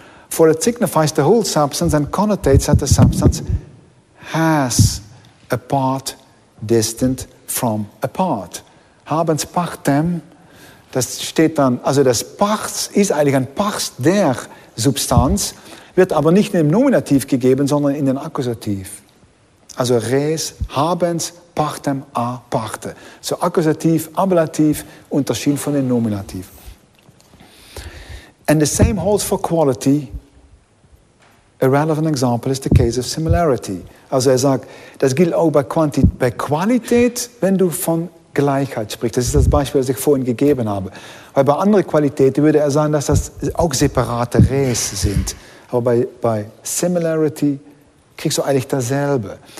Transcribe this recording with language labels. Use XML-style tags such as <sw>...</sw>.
<en>For it signifies the whole substance and connotates that the substance has a part distant from a part.</en> <la>Habens partem,</la> <de>das steht dann, also das Parts ist eigentlich ein Parts der Substanz, wird aber nicht im Nominativ gegeben, sondern in den Akkusativ. Also</de> <la>res habens partem a parte.</la> <de>So Akkusativ, Ablativ, unterschieden von dem Nominativ.</de> <en>And the same holds for quality. A relevant example is the case of similarity.</en> <de>Also er sagt, das gilt auch bei Qualität, wenn du von Gleichheit sprichst. Das ist das Beispiel, das ich vorhin gegeben habe. Weil bei anderen Qualitäten würde er sagen, dass das auch separate Res sind. Aber bei Similarity kriegst du eigentlich dasselbe.</de>